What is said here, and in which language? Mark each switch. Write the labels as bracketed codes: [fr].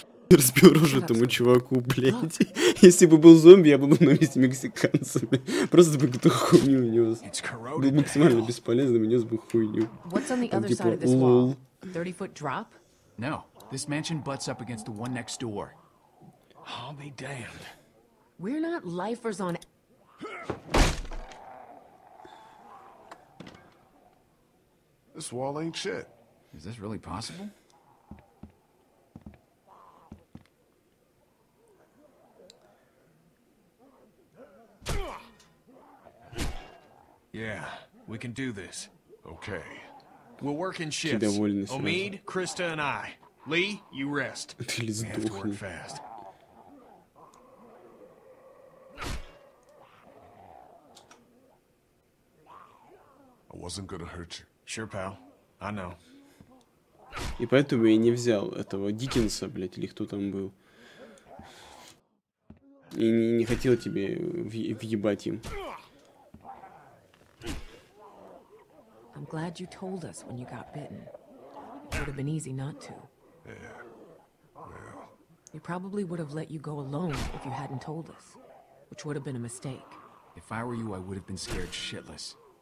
[ru] Разбил рожу этому чуваку, блядь. Если бы был зомби, я был бы на месте мексиканца. Просто бы какую-то хуйню нес. Был максимально бесполезным и нес бы хуйню. Там типа, лол. [en] 30-foot drop? No, this mansion butts up against the one next door. I'll be damned. We're not lifers on... This wall ain't shit. Is this really possible? Yeah, we can do this. Okay. We'll work in shifts. Omid, Krista, and I. Lee, you rest. We have to work fast. I wasn't gonna hurt you. Sure, pal. I know. [ru] И поэтому я не взял этого Диккенса, блять, или кто там был. И не хотел тебе въебать им. [en] I'm glad you told us when you got bitten. It would have been easy not to. Yeah. Well. We probably would have let you go alone if you hadn't told us, which would have been a mistake. If I were you, I would have been scared shitless.